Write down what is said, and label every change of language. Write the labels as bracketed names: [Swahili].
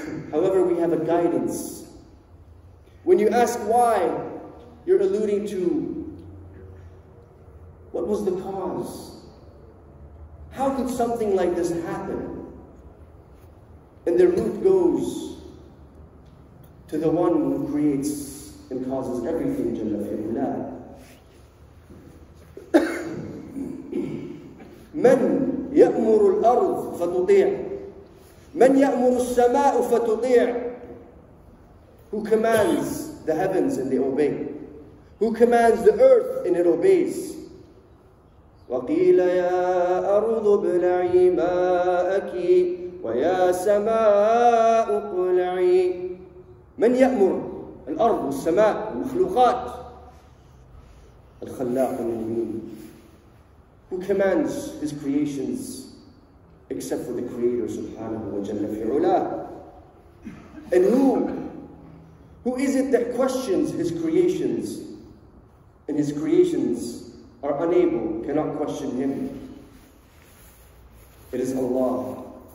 [English] However, we have a guidance. When you ask why, you're alluding to what was the cause? How could something like this happen? And their root goes to the one who creates and causes everything, Jalla Fi'ullah. [Arabic] من يأمر الأرض فتطيع من يأمر السماء فتطيع. [English] Who commands the heavens and they obey? Who commands the earth and it obeys? [Arabic] وقيل يا أرض ابلعي ماءك ويا سماء اقلعي. من يأمر الأرض والسماء المخلوقات؟ الخلاق اليمين. [English] Who commands his creations except for the Creator subhanahu wa jalla fi'ula? And who is it that questions his creations and his creations are unable, cannot question him? It is Allah.